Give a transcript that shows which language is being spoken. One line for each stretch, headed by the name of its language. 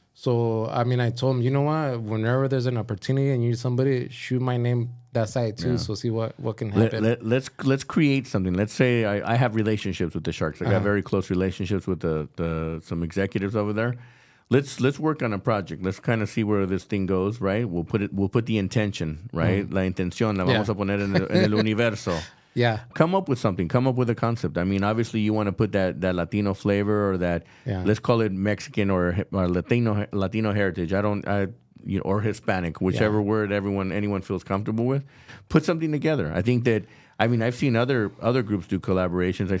English: So, I mean, I told him, you know what? Whenever there's an opportunity and you need somebody, shoot my name that side too. Yeah. So see what can happen. Let's create something. Let's say I have relationships with the Sharks. I got very close relationships with the some executives over there. Let's work on a project. Let's kind of see where this thing goes, right? We'll put the intention, right?
Spanish: Mm-hmm. La intención. La vamos a poner en el universo.
English: Yeah. Come up with something. Come up with a concept. I mean, obviously, you want to put that Latino flavor or that, let's call it Mexican or Latino heritage. Or Hispanic, whichever word anyone feels comfortable with. Put something together. I think that, I mean, I've seen other groups do collaborations.